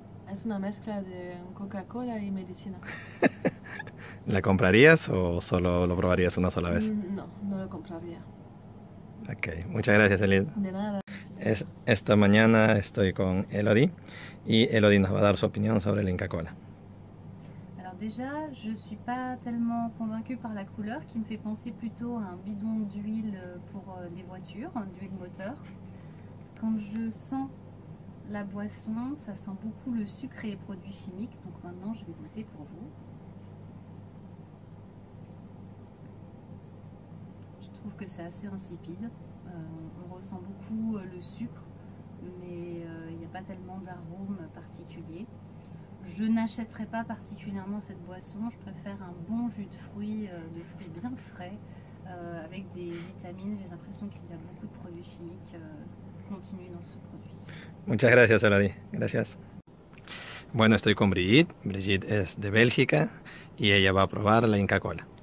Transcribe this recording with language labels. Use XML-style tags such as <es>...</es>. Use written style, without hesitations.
<es>Es una mezcla de Coca-Cola y medicina. ¿La comprarías o solo lo probarías una sola vez? No, no lo compraría. Ok, muchas gracias, Elid. De nada. Esta mañana estoy con Elodie y Elodie nos va a dar su opinión sobre el Inca Kola.</es> <fr>Alors déjà, je ne suis pas tellement convaincue par la couleur qui me fait penser plutôt à un bidon d'huile pour les voitures, d'huile moteur. Quand je sens la boisson, ça sent beaucoup le sucre et les produits chimiques. Donc maintenant, je vais goûter pour vous. Je trouve que c'est assez insipide. On ressent beaucoup le sucre, mais il n'y a pas tellement d'arôme particulier. Je n'achèterai pas particulièrement cette boisson. Je préfère un bon jus de fruits bien frais, avec des vitamines. J'ai l'impression qu'il y a beaucoup de produits chimiques contenus dans ce produit.</fr> <es>Muchas gracias, Elodie. Gracias. Bueno, estoy con Brigitte. Brigitte es de Bélgica y ella va a probar la Inca Kola.</es>